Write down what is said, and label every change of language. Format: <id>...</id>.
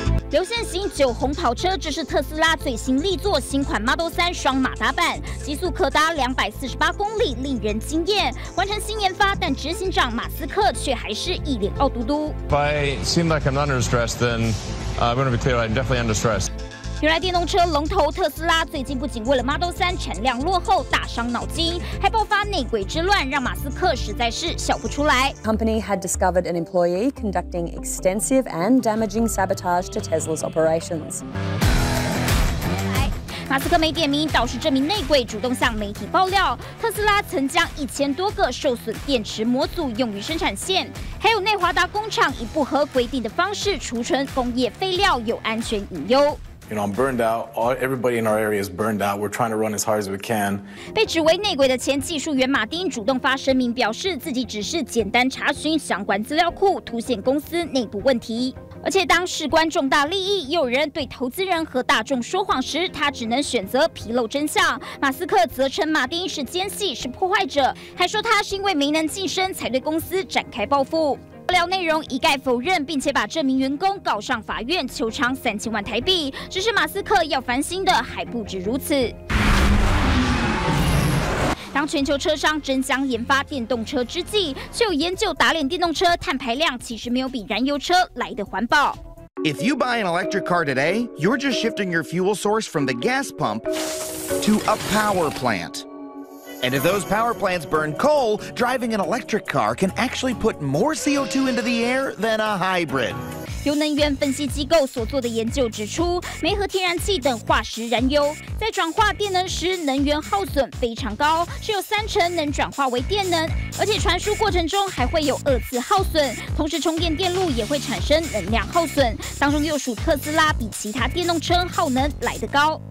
<zh>流线型酒红跑车，这是特斯拉最新力作，新款 Model 3双马达版，极速可达248公里，令人惊艳。完成新研发，但执行长马斯克却还是一脸傲嘟嘟。</zh> <en>If I seem like I'm under stress, then I'm going to be clear. I'm definitely under stress.</en> <zh>原来电动车龙头特斯拉最近不仅为了 Model 3产量落后大伤脑筋，还爆发内鬼之乱，让马斯克实在是笑不出来。</zh> <en>Company had discovered an employee conducting extensive and damaging sabotage to Tesla's operations.</en> <zh>马斯克没点名，倒是这名内鬼主动向媒体爆料，特斯拉曾将1000多个受损电池模组用于生产线，还有内华达工厂以不合规定的方式储存工业废料，有安全隐忧。</zh> <en>You know, I'm burned out. Everybody in our area is burned out. We're trying to run as hard as we can.</en> <zh>被指为内鬼的前技术员马丁主动发声明，表示自己只是简单查询相关资料库，凸显公司内部问题。而且当事关重大利益，又有人对投资人和大众说谎时，他只能选择披露真相。马斯克则称马丁是奸细，是破坏者，还说他是因为没能晋升才对公司展开报复。爆料内容一概否认，并且把这名员工告上法院，求偿3000万台币。只是马斯克要烦心的还不止如此。当全球车商争相研发电动车之际，却有研究打脸电动车碳排量其实没有比燃油车来的环保。</zh> <en>If you buy an electric car today, you're just shifting your fuel source from the gas pump to a power plant. And if those power plants burn coal, driving an electric car can actually put more CO2 into the air than a hybrid.</en> <zh>由能源分析机构所做的研究指出，煤和天然气等化石燃油在转化电能时，能源耗损非常高，只有30%能转化为电能，而且传输过程中还会有二次耗损，同时充电电路也会产生能量耗损，当中又属特斯拉比其他电动车耗能来得高。</zh>